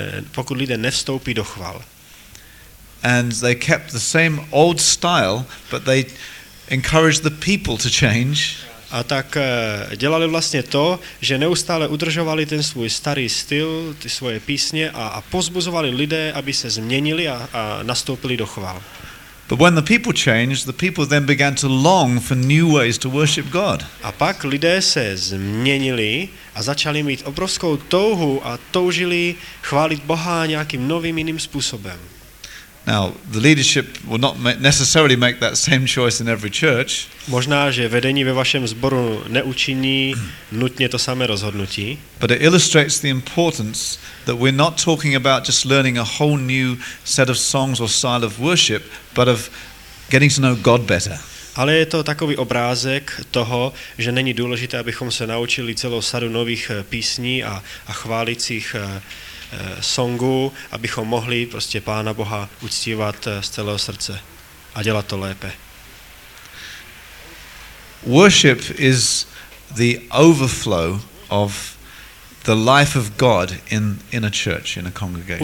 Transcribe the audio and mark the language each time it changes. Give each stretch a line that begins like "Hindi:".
Czech: Pokud lidé nevstoupí do chval.
English: And they kept the same old style, but they encouraged the people to change.
Czech: A tak dělali vlastně to, že neustále udržovali ten svůj starý styl, ty svoje písně a pozbuzovali lidé, aby se změnili a nastoupili do chval.
English: But when the people changed, the people then began to long for new ways to worship God.
Czech: A pak lidé se změnili a začali mít obrovskou touhu a toužili chválit Boha nějakým novým jiným způsobem.
English: Now, the leadership will not necessarily make that same choice in every church.
Czech: Možná, že vedení ve vašem sboru neučiní nutně to samé rozhodnutí.
English: But it illustrates the importance that we're not talking about just learning a whole new set of songs or style of worship, but of getting to know God better.
Czech: Ale je to takový obrázek toho, že není důležité, abychom se naučili celou sadu nových písní a chválicích songu, abychom mohli prostě Pána Boha uctívat z celého srdce a dělat to lépe.
English: Worship is the overflow of the life of God in a church, in a congregation.